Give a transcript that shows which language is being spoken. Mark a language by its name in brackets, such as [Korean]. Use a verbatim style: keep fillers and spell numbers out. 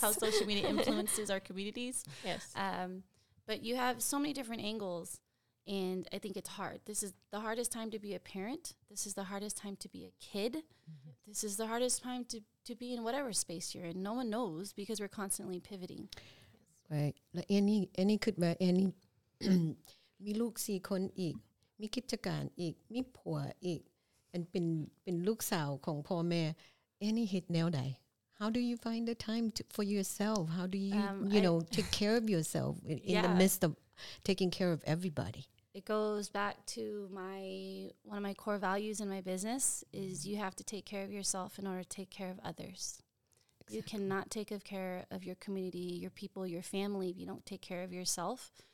[English] How social media influences our communities. Yes. Um but you have so many different angles. And I think it's hard. This is the hardest time to be a parent. This is the hardest time to be a kid. Mm-hmm. This is the hardest time to, to be in whatever space you're in. No one knows because we're constantly pivoting. Right. [Northeastern Thai] และอันนี้อันนี้คิดว่าอันนี้ มีลูกสี่คนอีกมีกิจการอีกมีผัวอีกอันเป็นเป็นลูกสาวของพ่อแม่อันนี้เฮ็ดแนวใด How do you find the time to, for yourself? [English] How do you um, you I know take care of yourself in, in yeah. the midst of taking care of everybody? It goes back to my one of my core values in my business is you have to take care of yourself in order to take care of others. Exactly. You cannot take of care of your community, your people, your family if you don't take care of yourself.